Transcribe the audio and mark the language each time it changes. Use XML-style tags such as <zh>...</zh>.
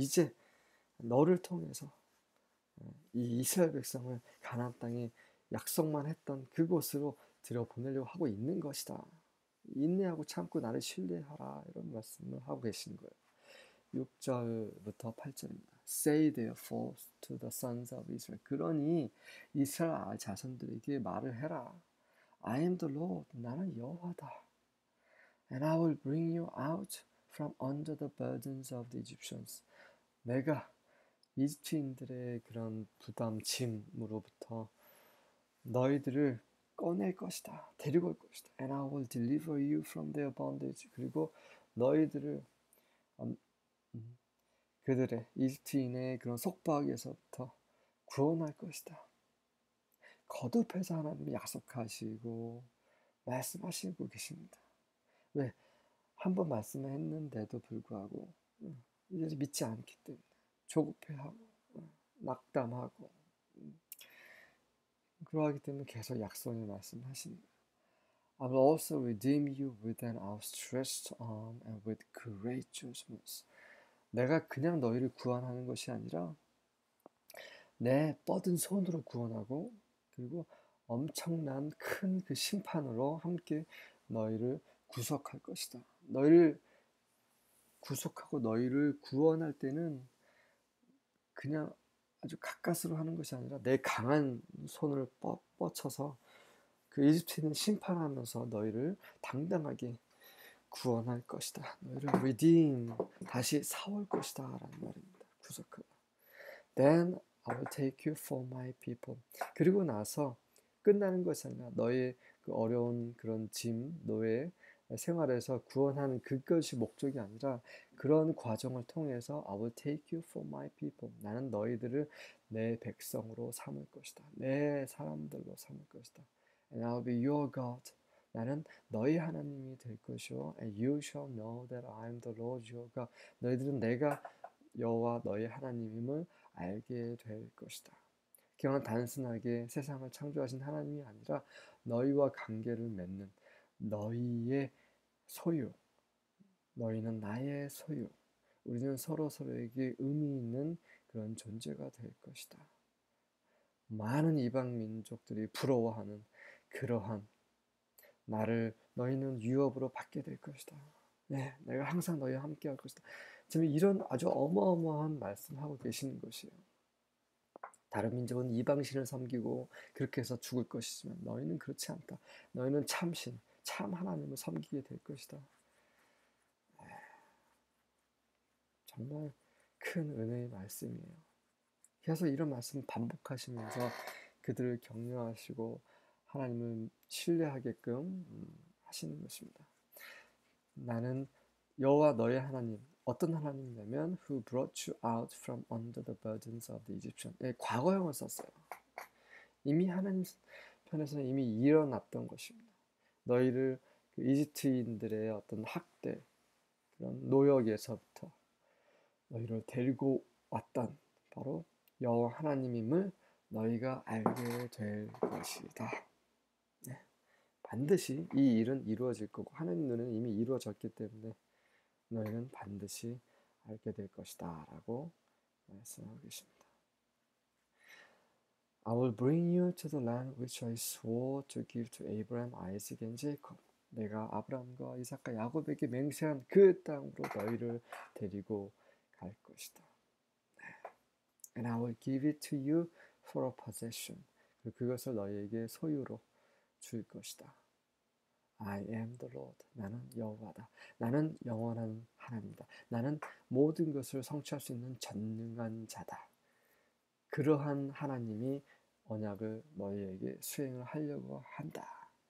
<ko>이제 너를 통해서 이 이스라엘 백성을 가나안 땅에 약속만 했던 그곳으로 들여보내려고 하고 있는 것이다. 인내하고 참고 나를 신뢰하라 이런 말씀을 하고 계신 거예요. 6절부터 8절입니다.</ko> <en>Say therefore to the sons of Israel.</en> <ko>그러니 이스라엘 자손들에게 말을 해라.</ko> <en>I am the Lord.</en> <ko>나는 여호와다.</ko> <en>And I will bring you out from under the burdens of the Egyptians.</en> <ko>내가 이집트인들의 그런 부담짐으로부터 너희들을 꺼낼 것이다. 데리고 올 것이다.</ko> <en>And I will deliver you from their bondage.</en> <ko>그리고 너희들을 그들의 이집트인의 그런 속박에서부터 구원할 것이다. 거듭해서 하나님이 약속하시고 말씀하시고 계십니다. 왜? 한번 말씀했는데도 불구하고 이제 믿지 않기 때문에 조급해하고 낙담하고 그러하기 때문에 계속 약속의 말씀하십니다.</ko> <en>I will also redeem you with an outstretched arm and with great judgments.</en> <ko>내가 그냥 너희를 구원하는 것이 아니라 내 뻗은 손으로 구원하고 그리고 엄청난 큰그 심판으로 함께 너희를 구속할 것이다. 너희를 구속하고 너희를 구원할 때는 그냥 아주 가까스로 하는 것이 아니라 내 강한 손을 뻗쳐서 그 이집트인을 심판하면서 너희를 당당하게 구원할 것이다. 너희를 redeem, 다시 사올 것이다. 라는 말입니다. 구속하라.</ko> <en>Then I will take you for my people.</en> <ko>그리고 나서 끝나는 것이 아니라 너의 그 어려운 그런 짐, 너의 생활에서 구원하는 그것이 목적이 아니라 그런 과정을 통해서</ko> <en>I will take you for my people.</en> <ko>나는 너희들을 내 백성으로 삼을 것이다. 내 사람들로 삼을 것이다.</ko> <en>And I'll be your God.</en> <ko>나는 너희 하나님이 될 것이오.</ko> <en>And you shall know that I'm the Lord your God.</en> <ko>너희들은 내가 여호와 너희 하나님임을 알게 될 것이다. 그냥 단순하게 세상을 창조하신 하나님이 아니라 너희와 관계를 맺는 너희의 소유, 너희는 나의 소유, 우리는 서로 서로에게 의미 있는 그런 존재가 될 것이다. 많은 이방 민족들이 부러워하는 그러한 나를 너희는 유업으로 받게 될 것이다. 네, 내가 항상 너희와 함께 할 것이다. 지금 이런 아주 어마어마한 말씀하고 계시는 것이에요. 다른 민족은 이방신을 섬기고 그렇게 해서 죽을 것이지만 너희는 그렇지 않다. 너희는 참신, 참 하나님을 섬기게 될 것이다. 정말 큰 은혜의 말씀이에요. 계속 이런 말씀 반복하시면서 그들을 격려하시고 하나님을 신뢰하게끔 하시는 것입니다. 나는 여호와 너의 하나님, 어떤 하나님이냐면</ko> <en>who brought you out from under the burdens of the Egyptian.</en> <ko>예, 과거형을 썼어요. 이미 하나님 편에서 이미 일어났던 것입니다. 너희를 그 이집트인들의 어떤 학대, 그런 노역에서부터 너희를 데리고 왔던 바로 여호와 하나님임을 너희가 알게 될 것이다. 반드시 이 일은 이루어질 거고 하나님 눈에는 이미 이루어졌기 때문에 너희는 반드시 알게 될 것이다라고 말씀하고 계십니다.</ko> <en>I will bring you to the land which I swore to give to Abraham, Isaac, and Jacob.</en> <ko>내가 아브라함과 이삭과 야곱에게 맹세한 그 땅으로 너희를 데리고 갈 것이다.</ko> <en>And I will give it to you for a possession.</en> <ko>그것을 너희에게 소유로 줄 것이다.</ko> <en>I am the Lord.</en> <ko>나는 여호와다. 나는 영원한 하나님이다. 나는 모든 것을 성취할 수 있는 전능한 자다. 그러한 하나님이 언약을 너희에게 수행을 하려고 한다.</ko>